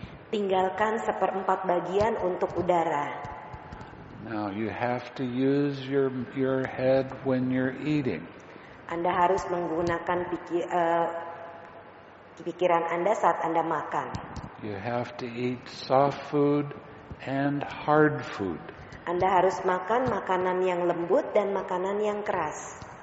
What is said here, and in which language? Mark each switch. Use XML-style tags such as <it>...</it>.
<id>Tinggalkan 1/4 bagian untuk udara.</id> <en>Now you have to use your head when you're eating.</en> <id>Anda harus menggunakan pikiran Anda saat Anda makan.</id> <en>You have to eat soft food and hard food.</en> <id>Anda harus makan makanan yang lembut dan makanan yang keras.</id>